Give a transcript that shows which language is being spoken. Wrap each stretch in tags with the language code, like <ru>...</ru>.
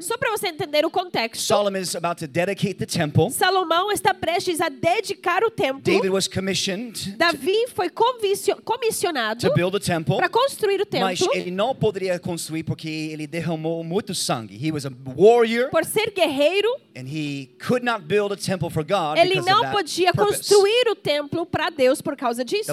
<pt>Só para você entender o contexto.</pt> <en>Solomon is about to dedicate the temple.</en> <pt>Salomão está prestes a dedicar o templo.</pt> <en>David was commissioned.</en> <pt>Davi foi comissionado</pt> <en>to build a temple.</en> <pt>Para construir o templo. Mas ele não poderia construir porque ele derramou muito sangue.</pt> <en>He was a warrior.</en> <pt>Por ser guerreiro.</pt> <en>And he could not build a temple for God.</en> <pt>Ele não podia construir o templo para Deus por causa disso.</pt>